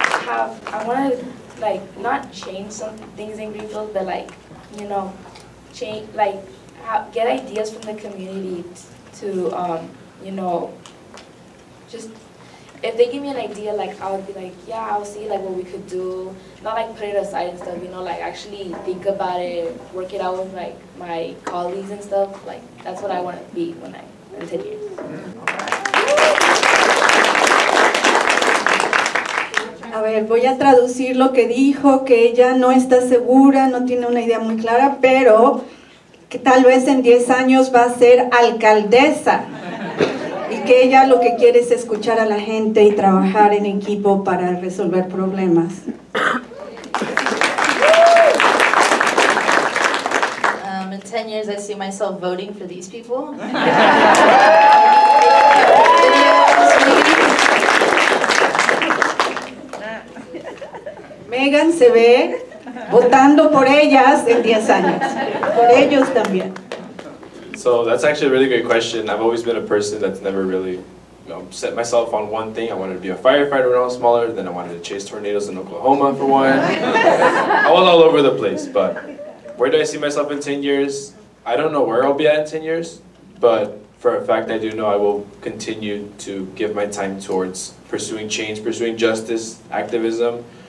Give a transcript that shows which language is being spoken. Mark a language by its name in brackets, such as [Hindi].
[English] I want to not change some things in Greenfield, but like, you know, change, like, get ideas from the community to you know, just, if they give me an idea, like, I would be like, yeah, I'll see, like, what we could do. Not, like, put it aside and stuff, you know, like, actually think about it, work it out with, like, my colleagues and stuff. Like, that's what I want to be when I, in 10 years. [Spanish] A ver, voy a traducir lo que dijo, que ella no está segura, no tiene una idea muy clara, pero que tal vez en 10 años va a ser alcaldesa. Y que ella lo que quiere es escuchar a la gente y trabajar en equipo para resolver problemas. [English] In 10 years I see myself voting for these people. [Spanish] Megan se ve votando por ellas en 10 años. Por ellos también. [English] So that's actually a really great question. I've always been a person that's never really, you know, set myself on one thing. I wanted to be a firefighter when I was smaller, then I wanted to chase tornadoes in Oklahoma for one. I was all over the place, but where do I see myself in 10 years? I don't know where I'll be at in 10 years, but for a fact I do know I will continue to give my time towards pursuing change, pursuing justice, activism.